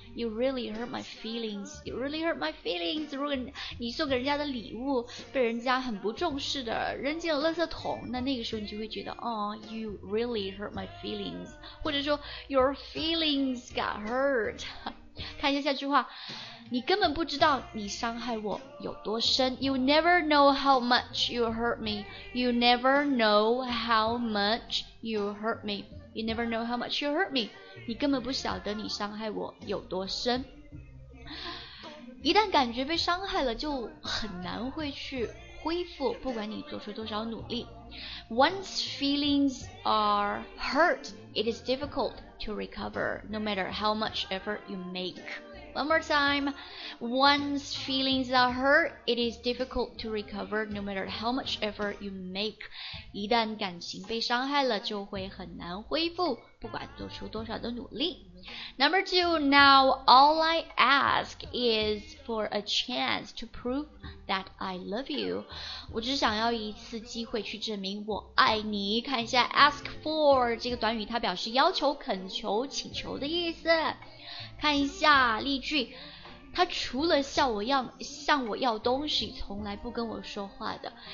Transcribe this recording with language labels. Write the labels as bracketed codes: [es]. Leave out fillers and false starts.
[en] You really hurt my feelings. You really hurt my feelings. [zh] 如果你送给人家的礼物被人家很不重视的扔进了垃圾桶，那个时候你就会觉得You really hurt my feelings. 或者说 [en] Your feelings got hurt. [zh] 看一下下句话，你根本不知道你伤害我有多深。 [en] You never know how much you hurt me. You never know how much you hurt me. You never know how much you hurt me. [zh] 你根本不晓得你伤害我有多深。一旦感觉被伤害了，就很难会去恢复，不管你做出多少努力。 [en] Once feelings are hurt, it is difficult to recover, no matter how much effort you make. One more time. Once feelings are hurt, it is difficult to recover, no matter how much effort you make. [zh] 一旦感情被伤害了，就会很难恢复，不管做出多少的努力。 [en] Number two, now all I ask is for a chance to prove that I love you. [zh] 我只想要一次机会去证明我爱你。看一下 ask for 这个短语，它表示要求、恳求、请求的意思。看一下例句，他除了向我要东西，从来不跟我说话的。